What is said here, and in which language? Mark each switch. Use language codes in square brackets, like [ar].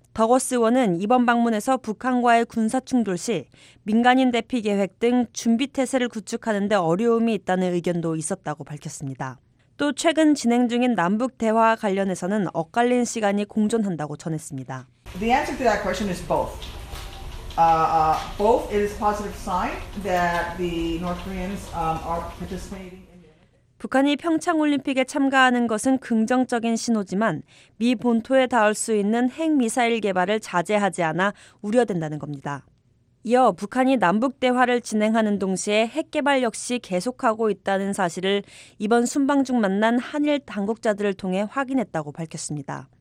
[ko] 더거스 의원은 이번 방문에서 북한과의 군사 충돌 시 민간인 대피 계획 등 준비 태세를 구축하는 데 어려움이 있다는 의견도 있었다고 밝혔습니다. 또 최근 진행 중인 남북 대화 관련해서는 엇갈린 시간이 공존한다고 전했습니다. [en] The answer to that question is both. Both is a positive sign that the North Koreans are participating. [ko] 북한이 평창올림픽에 참가하는 것은 긍정적인 신호지만 미 본토에 닿을 수 있는 핵미사일 개발을 자제하지 않아 우려된다는 겁니다. 이어 북한이 남북대화를 진행하는 동시에 핵 개발 역시 계속하고 있다는 사실을 이번 순방 중 만난 한일 당국자들을 통해 확인했다고 밝혔습니다.